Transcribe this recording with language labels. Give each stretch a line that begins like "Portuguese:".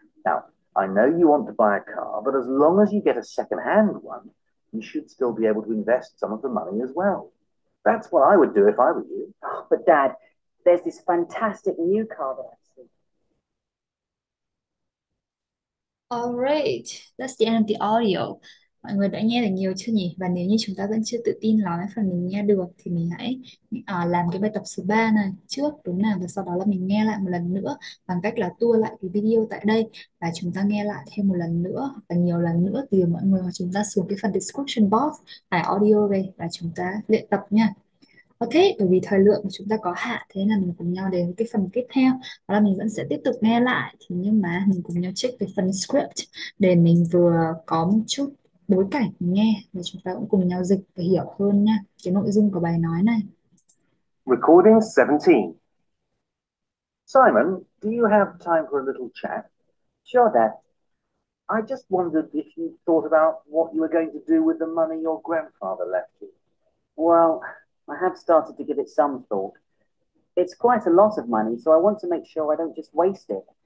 English: Now, I know you want to buy a car, but as long as you get a second-hand one, you should still be able to invest some of the money as well. That's what I would do if I were you. Oh, but Dad, there's this fantastic new car that I see. All right, that's the end of the audio.
Vietnamese: Mọi người đã nghe được nhiều chưa nhỉ? Và nếu như chúng ta vẫn chưa tự tin lắm phần mình nghe được thì mình hãy làm cái bài tập số 3 này trước đúng nào, và sau đó là mình nghe lại một lần nữa bằng cách là tua lại cái video tại đây và chúng ta nghe lại thêm một lần nữa và nhiều lần nữa từ mọi người, hoặc chúng ta xuống cái phần description box tải audio về và chúng ta luyện tập nha. Ok, bởi vì thời lượng của chúng ta có hạn, thế là mình cùng nhau đến với cái phần tiếp theo. Đó là mình vẫn sẽ tiếp tục nghe lại, thì nhưng mà mình cùng nhau check cái phần script để mình vừa có một chút bối cảnh nghe và chúng ta cũng cùng nhau dịch và hiểu hơn nha cái nội dung của bài nói này.
English: Recording 17. Simon, do you have time for a little chat? Sure, Dad. I just wondered if you thought about what you were going to do with the money your grandfather left you. Well, I have started to give it some thought. It's quite a lot of money, so I want to make sure I don't just waste it.